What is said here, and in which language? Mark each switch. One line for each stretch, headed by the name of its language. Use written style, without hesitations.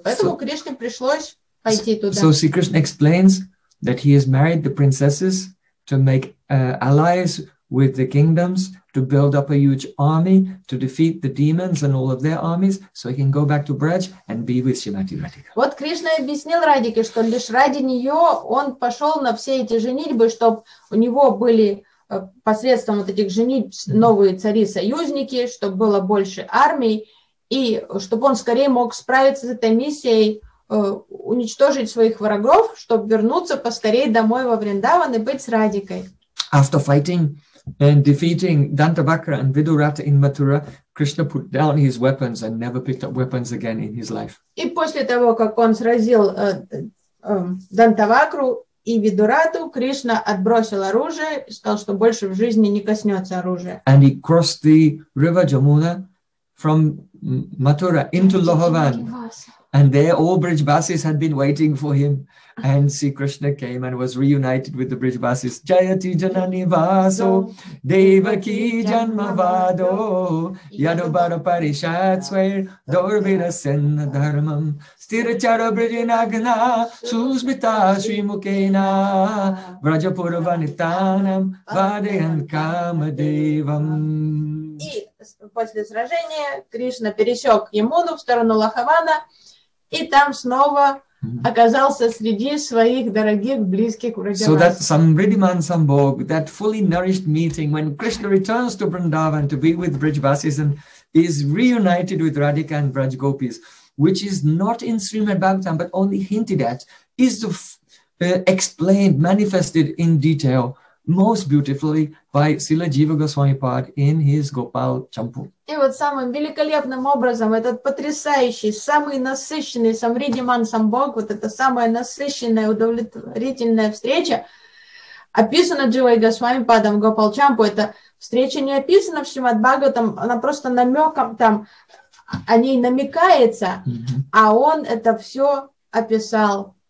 Russian: Поэтому Кришне пришлось пойти туда.
English: So Sri Krishna explains that he has married the princesses to make allies with the kingdoms, to build up a huge army, to defeat the demons and all of their armies, so he can go back to Braj and be with Srimati Radhika.
Russian: Вот Кришна объяснил Радике, что лишь ради нее он пошел на все эти женитьбы, чтобы у него были посредством вот этих женитьб новые цари-союзники, чтобы было больше армий, и чтобы он скорее мог справиться с этой миссией, уничтожить своих врагов, чтобы вернуться поскорее домой во Вриндаван и быть с Радикой.
English: After fighting and defeating Dantavakra and Vidurata in Mathura, Krishna put down his weapons and never picked up weapons again in his life.
Russian: И после того, как он сразил Дантавакру и Видурату, Кришна отбросил оружие и сказал, что больше в жизни не коснется оружия.
English: And he crossed the river Jamuna from Mathura into Lohavan. And there all Brijbasis had been waiting for him. And see, Krishna came and was reunited with the Brijbasis.
Sanskrit: Jayati janani vaso, devaki janma vado, yadobara parishat swair, dorvira senna dharmam, sthiracara brijinagna, susmita shrimukena, vrajapuravanitanam, vadeyan kamadevam.
Russian: И после сражения Кришна пересек Ямуну в сторону Лохавана, и там снова оказался среди своих дорогих, близких Брадживасов.
English: So that Samridiman Sambhog, that fully nourished meeting, when Krishna returns to Vrindavan to be with Brajvasis and is reunited with Radhika and Brajgopis, which is not in Srimad Bhagavatam, but only hinted at, is explained, manifested in detail, most beautifully by Srila Jiva Goswami Pad in his Gopal Champu.
Russian: И вот самым великолепным образом этот потрясающий, самый насыщенный Самридиман Самбог, вот эта самая насыщенная, удовлетворительная встреча, описана Дживой Госвами Падом Гопал Чампу. Эта встреча не описана в Шримад Бхагаватам, она просто намеком там, о ней намекается, а он это все описал.